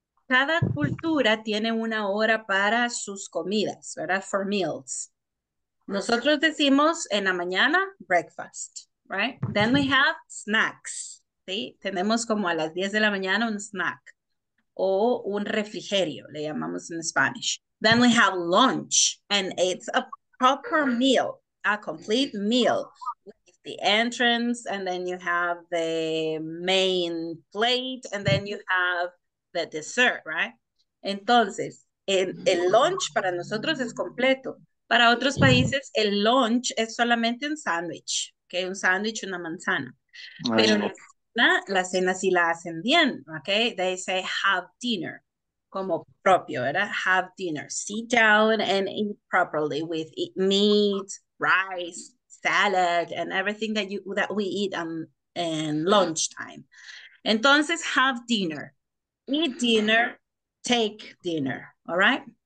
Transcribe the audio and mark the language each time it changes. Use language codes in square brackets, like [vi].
[es] Cada cultura tiene una hora para sus comidas, ¿verdad? [en] For meals. [es] Nosotros decimos en la mañana, breakfast, [en] right? Then we have snacks, [es] ¿sí? Tenemos como a las 10 de la mañana un snack o un refrigerio, le llamamos en Spanish. [en] Then we have lunch, and it's a proper meal, a complete meal. The entrance, and then you have the main plate, and then you have the dessert, right? [es] Entonces, el lunch para nosotros es completo. Para otros países, el lunch es solamente un sándwich, ¿ok? Un sándwich, una manzana. Pero la cena sí la hacen bien, ¿ok? [en] They say have dinner, [es] como propio, ¿verdad? [en] Have dinner, sit down and eat properly with meat, rice, salad, and everything that we eat and lunchtime. [es] Entonces, [en] have dinner. Eat dinner, take dinner, all right?